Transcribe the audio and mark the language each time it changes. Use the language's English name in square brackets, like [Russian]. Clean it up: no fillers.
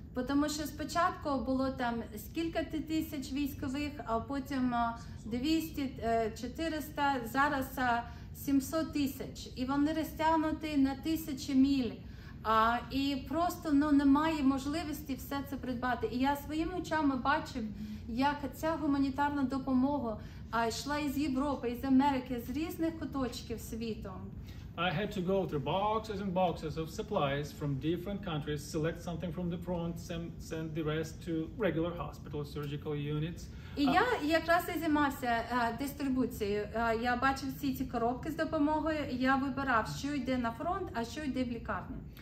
[Ukrainian] Тому що спочатку було там скільки тисяч військових, а потім 200, 400, зараз 700 тисяч. І вони розтягнуті на тисячі міль. І просто немає можливості все це придбати. І я своїми очами бачив, як ця гуманітарна допомога йшла із Європи, із Америки, з різних куточків світу. [English] I had to go through boxes and boxes of supplies from different countries, select something from the front, send the rest to regular hospitals, surgical units. [Ukrainian] І я якраз і займався дистрибуцією. Я бачив всі ці коробки з допомогою, я вибирав, що йде на фронт, а що йде в лікарню.